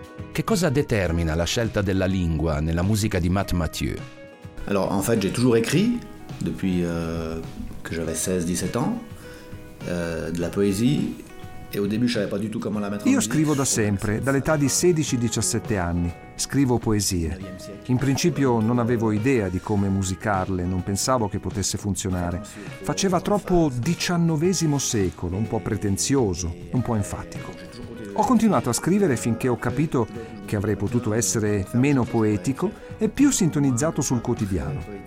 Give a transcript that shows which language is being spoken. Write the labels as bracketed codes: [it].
[it] Che cosa determina la scelta della lingua nella musica di Matt Mathieu? [fr] Alors, en fait, j'ai toujours écrit depuis que j'avais 16-17 ans de la poésie et au début, je savais pas du tout comment la mettre. [it] Io scrivo da sempre, dall'età di 16-17 anni, scrivo poesie. In principio non avevo idea di come musicarle, non pensavo che potesse funzionare. Faceva troppo XIX secolo, un po' pretenzioso, un po' enfatico. Ho continuato a scrivere finché ho capito che avrei potuto essere meno poetico e più sintonizzato sul quotidiano.